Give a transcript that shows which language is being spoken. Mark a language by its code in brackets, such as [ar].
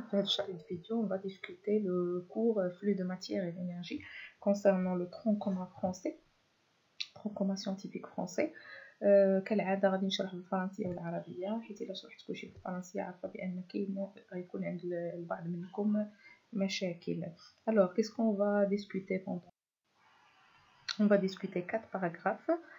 [ar] في هذا الشريط الفيديو [fr] on va discuter le cours flux de matière et d'énergie concernant le tronc commun français, tronc commun scientifique français. [ar] كالعادة غادي نشرح بالفرنسية والعربية حيت إلا شرحت كلشي بالفرنسية عارفة بأن كاين غيكون عند البعض منكم مشاكل. [fr] alors qu'est-ce qu'on va discuter pendant on va discuter quatre paragraphes.